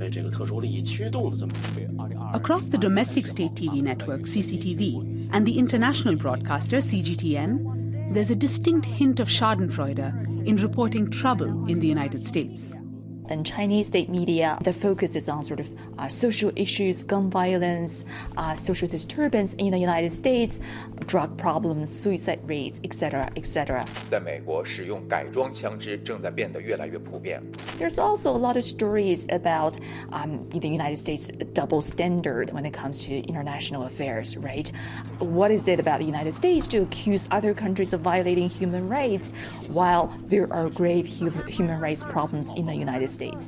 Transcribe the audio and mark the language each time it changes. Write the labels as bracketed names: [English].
[English] Across the domestic state TV network, CCTV, and the international broadcaster, CGTN, there's a distinct hint of schadenfreude in reporting trouble in the United States. In Chinese state media, the focus is on sort of social issues, gun violence, social disturbance in the United States, drug problems, suicide rates, etc., etc. [Chinese] 在美国，使用改装枪支正在变得越来越普遍。 [English] There's also a lot of stories about the United States' double standard when it comes to international affairs, right? What is it about the United States to accuse other countries of violating human rights while there are grave human rights problems in the United States?